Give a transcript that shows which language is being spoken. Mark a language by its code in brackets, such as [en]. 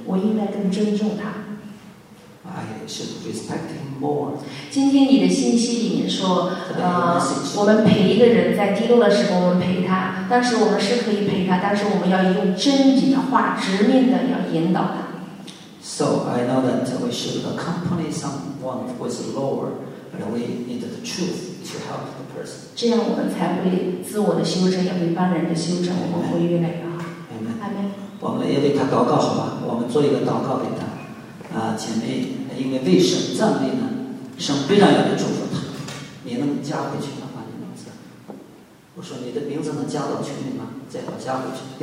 [zh] 我应该更尊重他。 [en] I should respect him more. [zh] 今天你的信息里面说，我们陪一个人在低落的时候，我们陪他。但是我们是可以陪他，但是我们要用真理的话，直面的要引导他。 [en] So I know that we should accompany someone who is lower, but we need the truth to help the person. [zh] 这样我们才会自我的修正，也会帮人的修正，我们会越来越好。 Amen. 我们也为他祷告，好吧？我们做一个祷告给他。前面因为为神赞美呢，神非常有的祝福他，你能加回去的话，你名字，我说你的名字能加到群里吗？再好加回去。